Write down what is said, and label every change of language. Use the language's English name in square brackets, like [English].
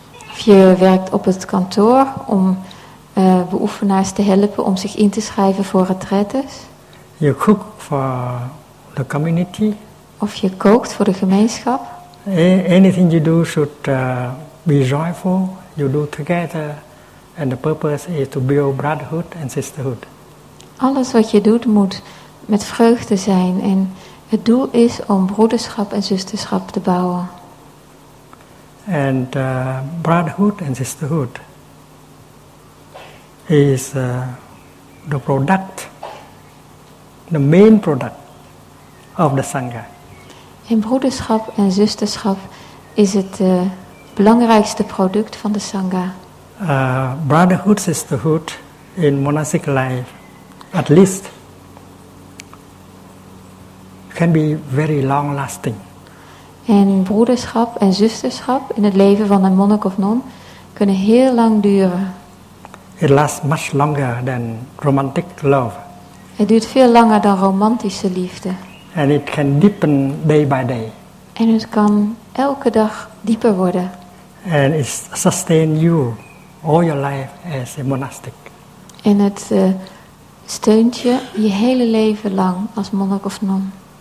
[Dutch] Of je werkt op het kantoor om beoefenaars te helpen om zich in te schrijven voor retretes. [English] You cook for the community. [Dutch] Of je kookt voor de gemeenschap. [English] Anything you do should be joyful. You do together, and the purpose is to build brotherhood and sisterhood. [Dutch] alles wat je doet moet met vreugde zijn. En het doel is om broederschap en zusterschap te bouwen. [English] And brotherhood and sisterhood is the product, the main product of the Sangha. [Dutch] En broederschap en zusterschap is het belangrijkste product van de Sangha. [English] Brotherhood, sisterhood in monastic life, at least, can be very long-lasting. [Dutch] En broederschap en zusterschap in het leven van een monnik of non kunnen heel lang duren. [English] It lasts much longer than romantic love. [Dutch] Het duurt veel langer dan romantische liefde. [English] And it can deepen day by day. [Dutch] En het kan elke dag dieper worden. [English] And it sustains you all your life as a monastic. [Dutch] En het steunt je je hele leven lang als monnik of non.